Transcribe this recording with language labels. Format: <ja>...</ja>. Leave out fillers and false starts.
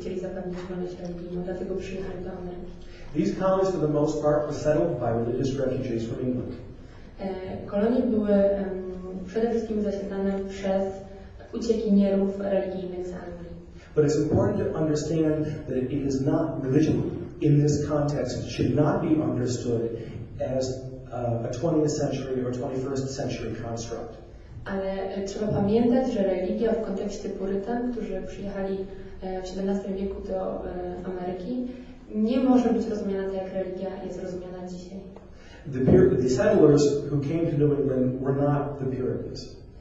<pl>Chcieli zapewnić wolność religijną, dlatego przyjechali do Ameryki.</pl> <en>These colonies, for the most part, were settled by religious refugees from England.</en> <pl>Kolonie były przede wszystkim zasiedlane przez uciekinierów religijnych z Anglii.</pl> <en>But it's important to understand that it is not religion in this context should not be understood as a 20th century or 21st century construct.</en> <pl>Ale trzeba pamiętać, że religia w kontekście Purytan, którzy przyjechali w XVII wieku do Ameryki, nie może być rozumiana tak, jak religia jest rozumiana dzisiaj.</pl> <en>The settlers who came to New England were not the Puritans.</en>